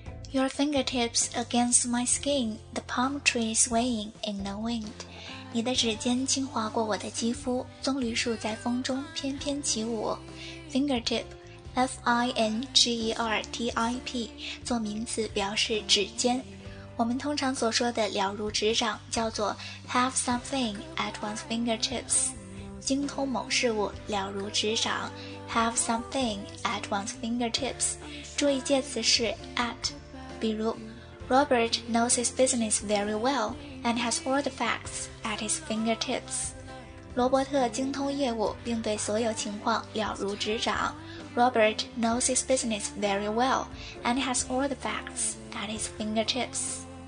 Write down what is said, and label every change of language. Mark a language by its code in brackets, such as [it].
[en] Your fingertips against my skin, the palm tree swaying in the wind. [zh] 你的指尖轻划过我的肌肤，棕榈树在风中翩翩起舞。 Fingertip, F-I-N-G-E-R-T-I-P, 做名词表示指尖。我们通常所说的了如指掌叫做 [en] have something at one's fingertips. [zh] 精通某事物了如指掌 [en] have something at one's fingertips. [zh] 注意介词是 at. [en] 比如 Robert knows his business very well and has all the facts at his fingertips. [zh] 罗伯特精通业务并对所有情况了如指掌。 [en] Robert knows his business very well and has all the facts at his fingertips.